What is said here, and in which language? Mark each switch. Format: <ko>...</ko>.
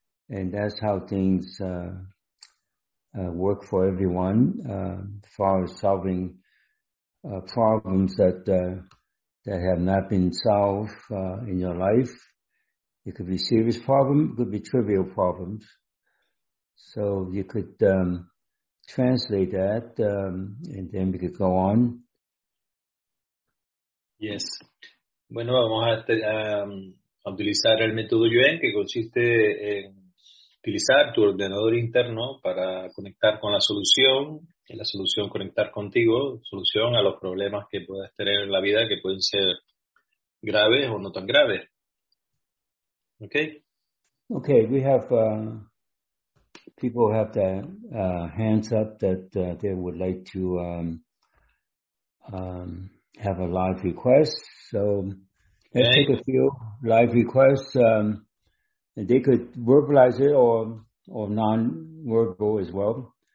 <en>And that's how things work for everyone, as far as solving problems that have not been solved in your life. It could be serious problem, it could be trivial problems. So you could translate that and then we could go on. Yes.</en> <es>Bueno, vamos a utilizar el método Yuen, que consiste en utilizar tu ordenador interno para conectar con la solución, y la solución conectar contigo, solución a los problemas que puedas tener en la vida, que pueden ser graves o no tan graves.</es> <en>Okay? Okay, we have, people have their hands up that they would like to have a live request, so... Let's take a few live requests. They could verbalize it or non-verbal as well.</en>